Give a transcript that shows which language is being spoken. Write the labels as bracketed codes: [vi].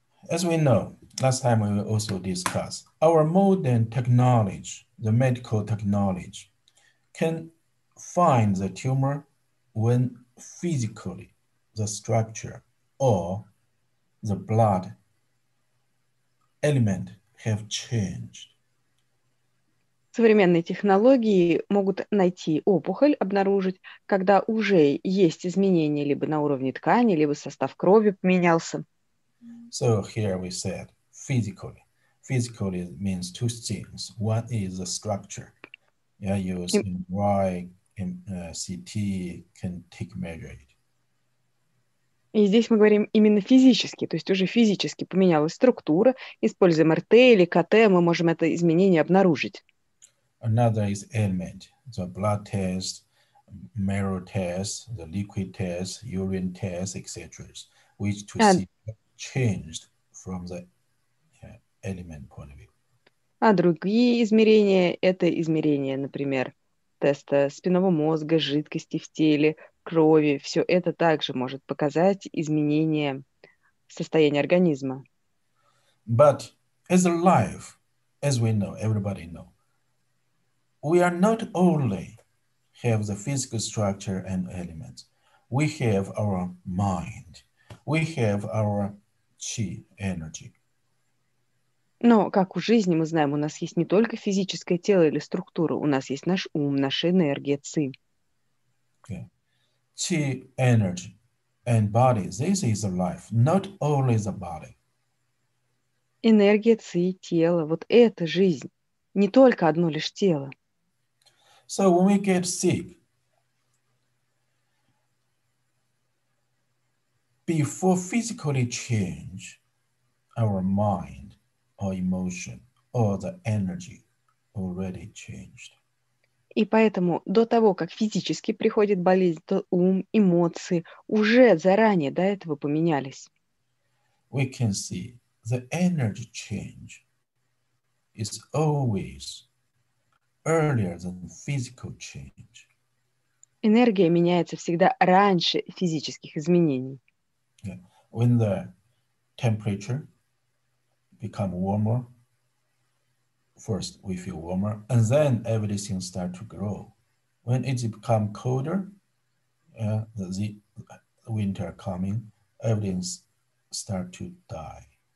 [en] As we know, last time we also discussed, our modern technology, the medical technology, can find the tumor when physically the structure or the blood element have changed. [ru] Современные технологии могут найти опухоль, обнаружить, когда уже есть изменения либо на уровне ткани, либо состав крови поменялся. [en] So here we said physically. Physically means two things. One is the structure. Yeah, use MRI, CT can take measure it. [ru] И здесь мы говорим именно физически, то есть уже физически поменялась структура. Используем РТ или КТ, мы можем это изменение обнаружить. [en] Another is ailment. The blood test, marrow test, the liquid test, urine test, etc. Which to see. Changed from the element point of view. [ru] А другие измерения – это измерения, например, теста спинного мозга, жидкости в теле, крови. Все это также может показать изменения состояния организма. [en] But as a life, as we know, everybody know, we are not only have the physical structure and elements, we have our mind, we have our Chi energy. [ru] Но, как у жизни, мы знаем, у нас есть не только физическое тело или структура, у нас есть наш ум, наша энергия, ци. [en] Chi energy and body. This is a life, not only the body. [ru] Энергия, ци, тело, вот это жизнь, не только одно лишь тело. [en] So when we get sick, before physically change our mind or emotion or the energy already changed. [ru] И поэтому до того, как физически приходит болезнь, то ум, эмоции уже заранее до этого поменялись. [en] We can see the energy change is always earlier than physical change. [ru] Энергия меняется всегда раньше физических изменений. [en] When the temperature become warmer, first we feel warmer, and then everything start to grow. When it become colder, the winter coming, everything start to die.